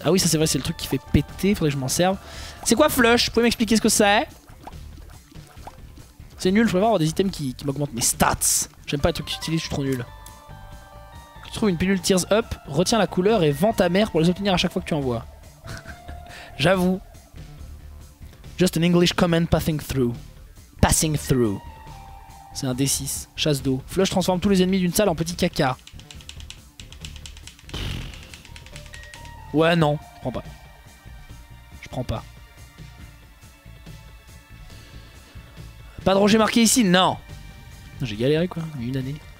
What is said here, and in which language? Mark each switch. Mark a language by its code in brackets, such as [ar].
[fr] Ah oui, ça c'est vrai, c'est le truc qui fait péter, faudrait que je m'en serve. C'est quoi flush? Vous pouvez m'expliquer ce que c'est? C'est nul, je voudrais avoir des items qui m'augmentent mes stats. J'aime pas les trucs que tu utilises, je suis trop nul. Tu trouves une pilule Tears Up, retiens la couleur et vends ta mère pour les obtenir à chaque fois que tu envoies. J'avoue. [en] Just an English command passing through. Passing through. [fr] C'est un D6, chasse d'eau. Flush transforme tous les ennemis d'une salle en petit caca. Ouais, non, je prends pas. Je prends pas. Pas de rocher marqué ici, non. J'ai galéré quoi, une année.